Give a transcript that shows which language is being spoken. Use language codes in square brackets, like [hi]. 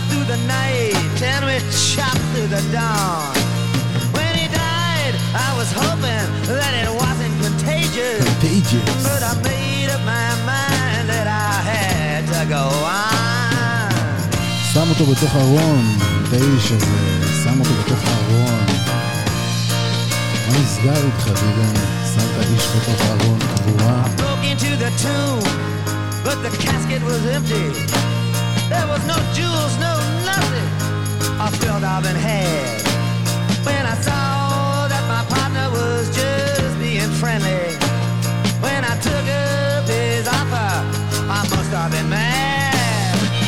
[en] The night and we chopped through the dawn. When he died, I was hoping that it wasn't contagious. But I made up my mind that I had to go on. [he] שם אותו בתוך ארון, את האיש הזה, שם אותו בתוך ארון. מה נסגר איתך, דיגן? שם את האיש בתוך ארון, קבורה. [en] I broke into the tomb, but the casket was empty. There was no jewels, no nothing I felt I've been had. When I saw that my partner was just being friendly, when I took up his offer, I must have been mad.